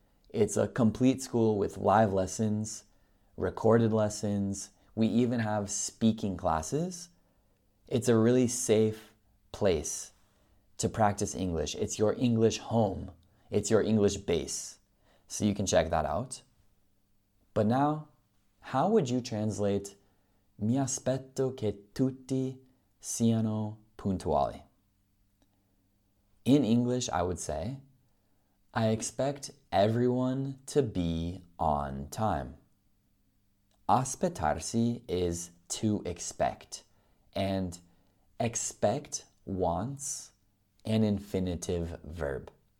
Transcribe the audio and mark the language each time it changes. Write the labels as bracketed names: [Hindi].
[English] It's a complete school with live lessons, recorded lessons. We even have speaking classes. It's a really safe place to practice English. It's your English home. It's your English base. So you can check that out. But now, how would you translate [Italian] "Mi aspetto che tutti siano puntuali"? [English] In English, I would say, I expect everyone to be on time. Aspettarsi is to expect, and expect wants an infinitive verb.